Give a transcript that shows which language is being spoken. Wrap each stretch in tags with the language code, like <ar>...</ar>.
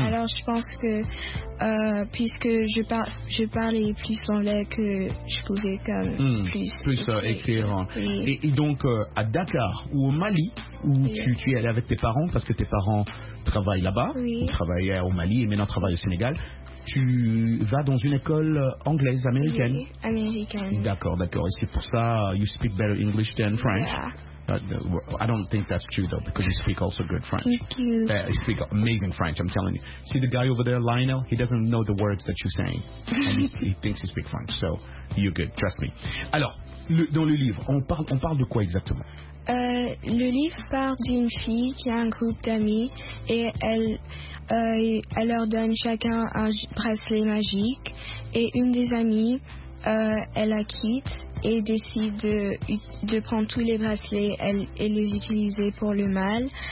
<fr>Alors je pense que puisque je parlais plus l'anglais, que je pouvais comme plus écrire. Oui. Et donc à Dakar ou au Mali où tu es allé avec tes parents, parce que tes parents travaillent là-bas, oui. Travaillaient au Mali et maintenant travaillent au Sénégal. Tu vas dans une école anglaise, américaine? Oui, américaine. D'accord, d'accord. Et c'est pour ça,</fr> <en>you speak better English than French? Yeah. I don't think that's true, though, because you speak also good French. Thank you. You speak amazing French, I'm telling you. See the guy over there, Lionel? He doesn't know the words that you're saying. And he thinks he speaks French, so you're good, trust me.</en> <fr>Alors, dans le livre, on parle de quoi exactement? Le livre part d'une fille qui a un groupe d'amis et elle leur donne chacun un bracelet magique et une des amies, elle la quitte et décide de prendre tous les bracelets et les utiliser pour le mal.</fr>